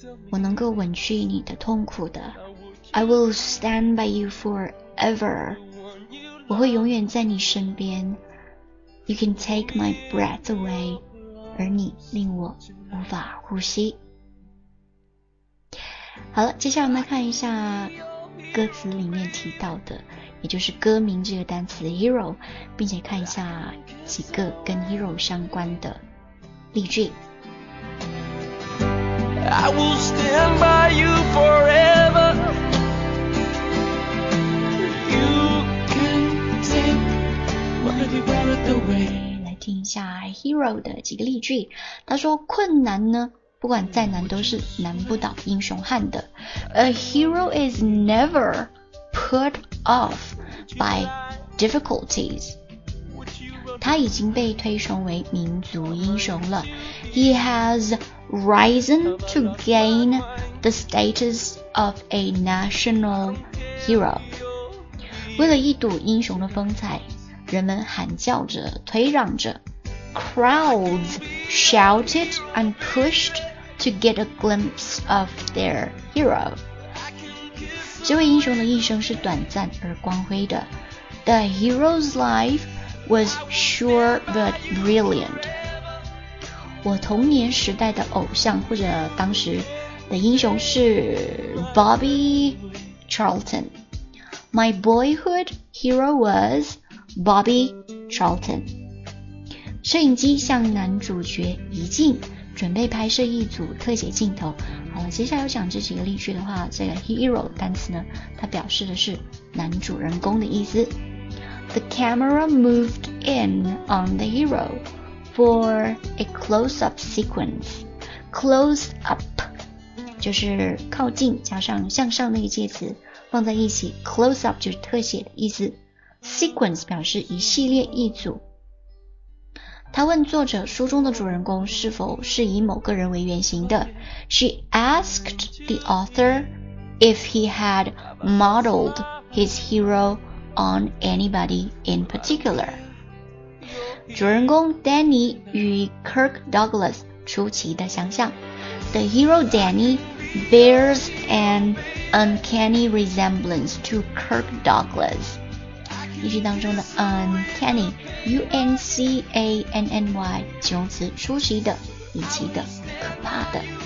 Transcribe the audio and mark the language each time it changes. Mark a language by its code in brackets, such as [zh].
[zh] 我能够吻去你的痛苦的。 [en] I will stand by you forever. [zh] 我会永远在你身边。 [en] You can take my breath away. [zh] 而你令我无法呼吸。好了，接下来我们来看一下歌词里面提到的，也就是歌名这个单词 hero， 并且看一下几个跟 hero 相关的例句。 [en] I will stand by you forever. You can take my breath away. [zh] 来听一下 hero 的几个例句。他说困难呢，不管再难都是难不倒英雄汉的。 [en] A hero is never put off by difficulties. [zh] 他已经被推崇为民族英雄了。 [en] He has risen to gain the status of a national hero. [zh] 为了一睹英雄的风采，人们喊叫着，推嚷着。 [en] Crowds shouted and pushedTo get a glimpse of their hero. [zh] 这位英雄的一生是短暂而光辉的。 [en] The hero's life was short but brilliant. [zh] 我童年时代的偶像或者当时的英雄是 Bobby Charlton. [en] My boyhood hero was Bobby Charlton. [zh] 摄影机向男主角移近，准备拍摄一组特写镜头。好了，接下来要讲这几个例句的话，这个 hero 单词呢，它表示的是男主人公的意思。 [en] The camera moved in on the hero for a close-up sequence. [zh] Close-up 就是靠近加上向上那个介词放在一起， close-up 就是特写的意思。 Sequence 表示一系列一组。他问作者书中的主人公是否是以某个人为原型的。 [en] She asked the author if he had modeled his hero on anybody in particular. [zh] 主人公 Danny 与 Kirk Douglas 出奇的相像。 [en] The hero Danny bears an uncanny resemblance to Kirk Douglas. [zh] 例句当中的 uncanny, U-N-C-A-N-N-Y, 形容词，出奇的、离奇的、可怕的。